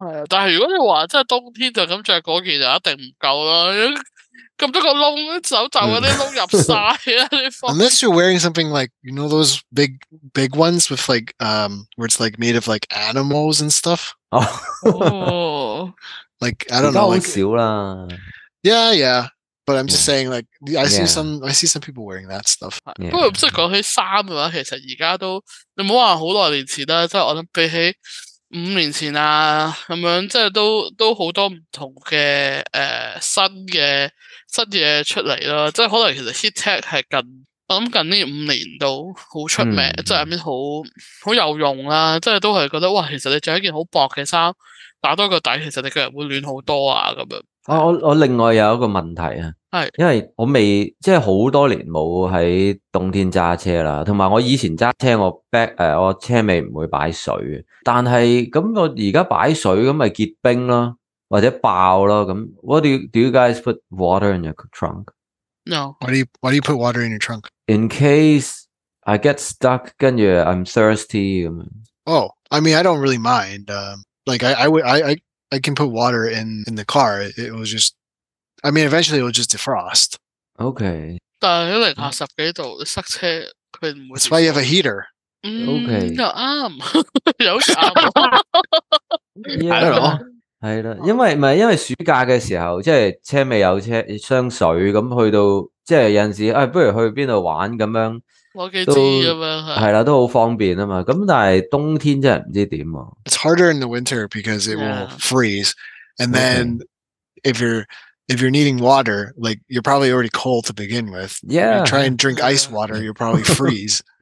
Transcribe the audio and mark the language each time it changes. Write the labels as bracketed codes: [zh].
[yue] 但係如果你話即係冬天就咁著嗰件就一定唔夠啦。咁多个窿，手袖嗰啲窿入晒啊！ [en] Unless you're wearing something like you know those big ones with like where it's like made of like animals and stuff. Oh, like I don't know. [yue] 比较少啦。 [en] Yeah, yeah. But I'm just saying like I see some people wearing that stuff. [yue] 不过即系讲起衫嘅话，其实而家都你唔好话好耐年前啦，即系我谂比起五年前啊咁样，即系都好多唔同嘅新嘢出嚟啦，即系可能其实 heat tech 系近我谂近呢五年都好出名，即系好有用啦，即系都系觉得哇，其实你着一件好薄嘅衫，打多个底，其实你个人会暖好多啊咁样。我另外有一个问题啊，系因为我未即系好多年冇喺冬天揸车啦，同埋我以前揸车我车尾唔会摆水，但系咁我而家摆水咁咪结冰咯。或者爆咯咁 [en] ，What do you guys put water in your trunk? No. Why do you put water in your trunk? In case I get stuck, [yue] 跟住 [en] I'm thirsty 咁。 Oh, I mean, I don't really mind. Like I can put water in the car. It was just, I mean, eventually it will just defrost. Okay. [yue] 但系零下十几度，你塞车佢唔会。 [en] That's why you have a heater. Okay. [yue] 又啱，有啱。 [en] I don't know. [yue] 系啦，因为暑假嘅时候，即系车尾有车箱水，咁去到即系有阵时，不如去边度玩咁样，攞几支咁样系啦，都好方便啊嘛。咁但系冬天真系唔知点啊。 [en] It's harder in the winter because it will freeze, and then if you're needing water, like you're probably already cold to begin with. Yeah, you try and drink ice water, you'll probably freeze.